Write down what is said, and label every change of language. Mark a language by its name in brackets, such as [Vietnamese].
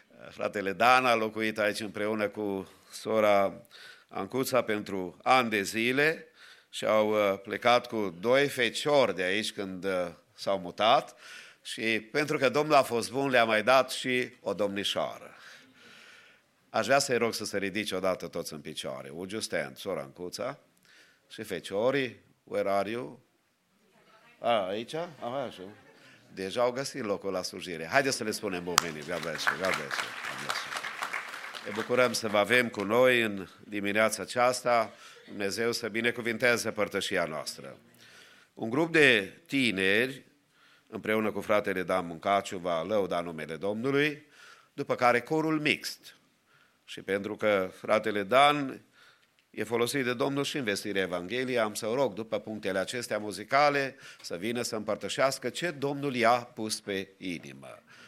[Romanian] Fratele Dan a locuit aici împreună cu sora Ancuța pentru ani de zile și au plecat cu doi feciori de aici când s-au mutat și pentru că Domnul a fost bun, le-a mai dat și o domnișoară. Aș vrea să-i rog să se ridice odată toți în picioare. [English] Would you stand, [Romanian] sora Ancuța și feciorii, [English] where are you? [Romanian] Aici? Așa. Deja au găsit locul la slujire. Haideți să le spunem bun venit. [English] God bless you, God bless you, God bless you. [Romanian] Ne bucurăm să vă avem cu noi în dimineața aceasta. Dumnezeu să binecuvinteze părtășia noastră. Un grup de tineri, împreună cu fratele Dan Muncaciu, va lăuda numele Domnului, după care corul mixt. Și pentru că fratele Dan e folosit de Domnul și în vestirea Evangheliei, am să rog, după punctele acestea muzicale, să vină să împărtășească ce Domnul i-a pus pe inimă.